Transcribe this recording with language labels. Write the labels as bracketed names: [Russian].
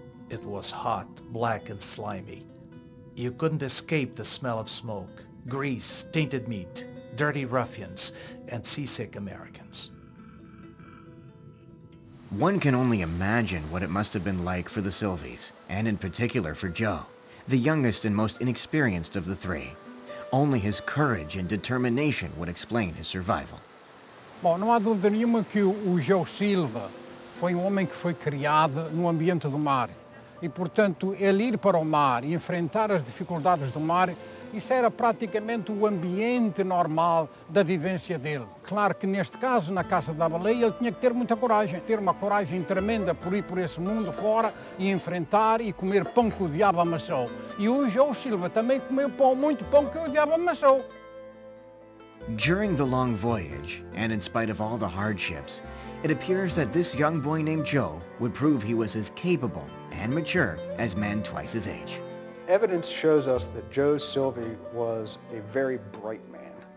[English] It was hot, black, and slimy. You couldn't escape the smell of smoke, grease, tainted meat, dirty ruffians, and seasick Americans. One can only imagine what it must have been like for the Silvies, and in particular for Joe, the youngest and most inexperienced of the three. Only his courage and determination would explain his survival. [Portuguese] Bom, não há dúvida nenhuma que o Joe Silva foi um homem que foi criado no ambiente do mar. E, portanto, ele ir para o mar e enfrentar as dificuldades do mar, isso era praticamente o ambiente normal da vivência dele. Claro que neste caso, na Caça da Baleia, ele tinha que ter muita coragem, ter uma coragem tremenda por ir por esse mundo fora e enfrentar e comer pão que o diabo amassou. E o João Silva também comeu pão, muito pão que o diabo amassou. [English] During the long voyage, and in spite of all the hardships, it appears that this young boy named Joe would prove he was as capable and mature as men twice his age. Evidence shows us that Joe Silvie was a very bright man.